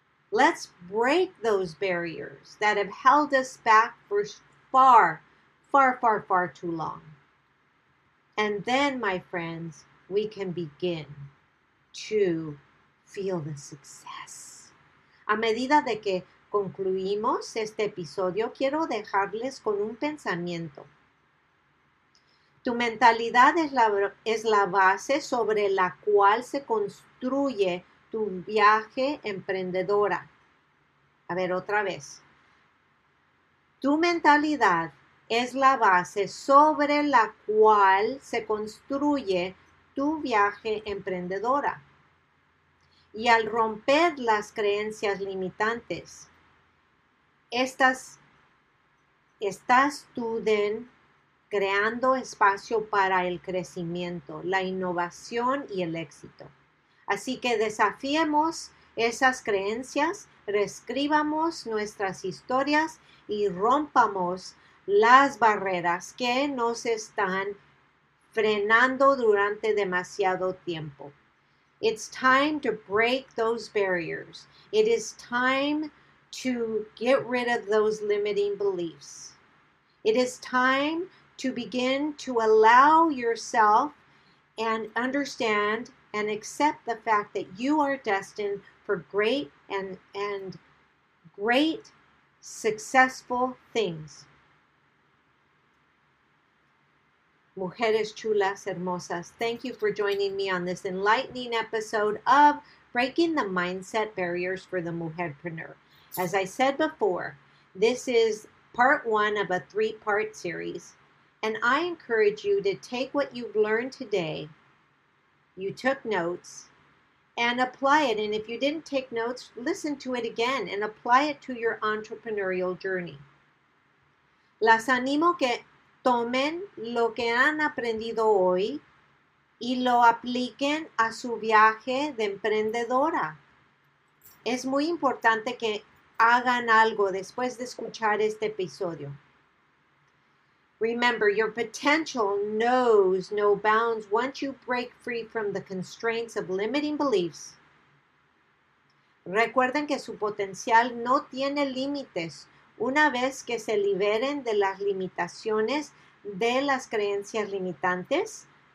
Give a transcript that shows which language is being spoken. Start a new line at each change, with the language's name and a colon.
English: Let's break those barriers that have held us back for far, far, far, far too long. And then, my friends, we can begin to feel the success.
Spanish: A medida de que concluimos este episodio, quiero dejarles con un pensamiento. Tu mentalidad es la base sobre la cual se construye tu viaje emprendedora. A ver, otra vez. Tu mentalidad es la base sobre la cual se construye tu viaje emprendedora. Y al romper las creencias limitantes, estás tú creando espacio para el crecimiento, la innovación y el éxito. Así que desafiemos esas creencias, reescribamos nuestras historias y rompamos las barreras que nos están frenando durante demasiado tiempo.
English: It's time to break those barriers. It is time to get rid of those limiting beliefs. It is time to begin to allow yourself and understand and accept the fact that you are destined for great and great successful things.
Spanish: Mujeres chulas hermosas,
English: thank you for joining me on this enlightening episode of Breaking the Mindset Barriers for the Mujerpreneur. As I said before, this is part one of a three-part series, and I encourage you to take what you've learned today, you took notes, and apply it. And if you didn't take notes, listen to it again and apply it to your entrepreneurial journey.
Spanish: Las animo que tomen lo que han aprendido hoy y lo apliquen a su viaje de emprendedora. Es muy importante que hagan algo después de escuchar este episodio.
English: Remember, your potential knows no bounds once you break free from the constraints of limiting beliefs.
Spanish: Recuerden que su potencial no tiene límites una vez que se liberen de las limitaciones de las creencias limitantes.